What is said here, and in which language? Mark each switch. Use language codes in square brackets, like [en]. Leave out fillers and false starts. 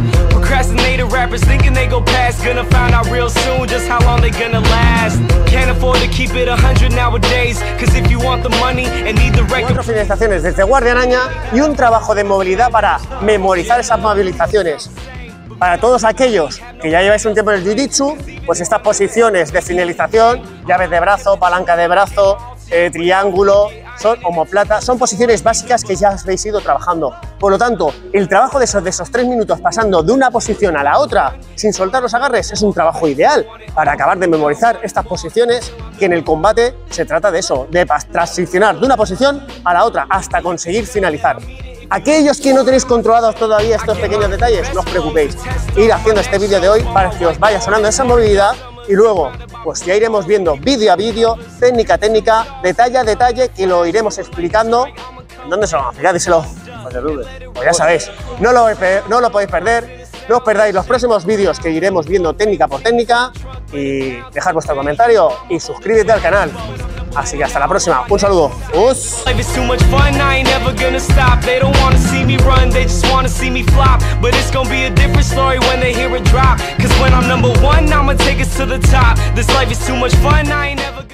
[en] Procrastinated rappers thinking they go past, gonna find out real soon just how long they gonna last. Can't afford to keep it 100 nowadays, cause if you want the money and need the record. [es] Cuatro finalizaciones desde guardia araña y un trabajo de movilidad para memorizar esas movilizaciones. Para todos aquellos que ya lleváis un tiempo en el jiu-jitsu, pues estas posiciones de finalización, llaves de brazo, palanca de brazo, triángulo, son omoplata, son posiciones básicas que ya habéis ido trabajando. Por lo tanto, el trabajo de esos 3 minutos pasando de una posición a la otra sin soltar los agarres es un trabajo ideal para acabar de memorizar estas posiciones, que en el combate se trata de eso, de transicionar de una posición a la otra hasta conseguir finalizar. Aquellos que no tenéis controlados todavía estos pequeños detalles, no os preocupéis. Ir haciendo este vídeo de hoy para que os vaya sonando esa movilidad. Y luego, pues ya iremos viendo vídeo a vídeo, técnica a técnica, detalle a detalle, que lo iremos explicando. ¿Dónde se lo van a fijar? Díselo. Pues ya sabéis, no lo podéis perder. No os perdáis los próximos vídeos que iremos viendo técnica por técnica. Y dejad vuestro comentario y suscríbete al canal. Así que hasta la próxima. Un saludo. ¡Us! [en] Life is too much fun, I ain't never gonna stop. They don't wanna see me run, they just wanna see me flop. But it's gonna be a different story when they hear it drop. Cause when I'm number one, I'ma take us to the top. This life is too much fun, I ain't never gonna stop.